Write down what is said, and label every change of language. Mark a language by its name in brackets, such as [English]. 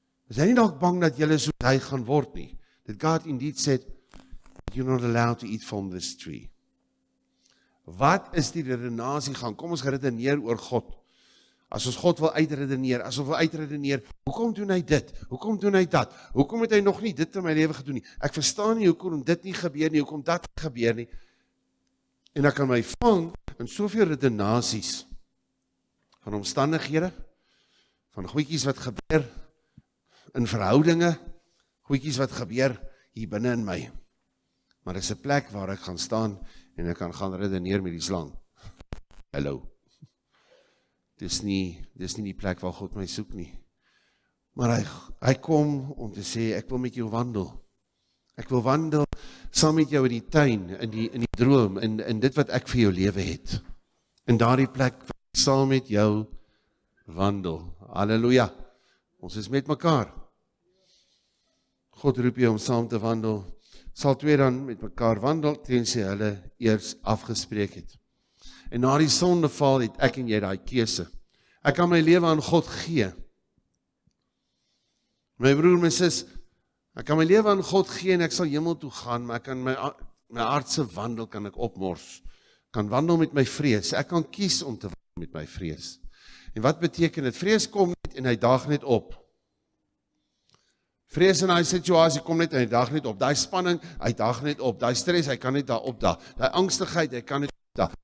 [Afrikaans] Is hy nie dalk bang dat julle soos hy gaan word nie? [English] That God indeed said, you're not allowed to eat from this tree. [Afrikaans] Wat is die redenasie gaan? Kom ons redeneer oor God. As ons God wil uitredeneer, as ons wil uitredeneer, hoekom doen hy dit? Hoekom doen hy dat? Hoekom het hy nog nie dit in my leven gedoen nie? Ek verstaan nie hoekom dit nie gebeur nie, hoekom dat gebeur nie. En ek kan my vang in soveel redenasies van omstandighede, van goeikies wat gebeur, in verhoudinge, goeikies wat gebeur hier binnen in my. Maar dit is een plek waar ek gaan staan en ek kan gaan redeneer met die slang. Hallo. Dit is nie die plek waar God my soek nie. Maar hy kom om te sê, ek wil met jou wandel. Ek wil wandel saam met jou in die tuin, in die droom, in dit wat ek vir jou leven het. In daardie plek wil ek saam met jou wandel. Halleluja. Ons is met mekaar. God roep jy om saam te wandel, sal twee dan met mekaar wandel, tensy hulle eers afgespreek het. En na die sondeval het ek en jy die keuse. Ek kan my leven aan God gee. My broer, my sis, ek kan my leven aan God gee en ek sal hemel toe gaan, maar ek kan my aardse wandel kan ek opmors. Ek kan wandel met my vrees. Ek kan kies om te wandel met my vrees. En wat beteken het? Vrees kom net en hy daag net op. Vrees in die situasie kom net en hy daag net op. Die spanning, hy daag net op. Die stress, hy kan net daar opdaag. Die angstigheid, hy kan net opdaag.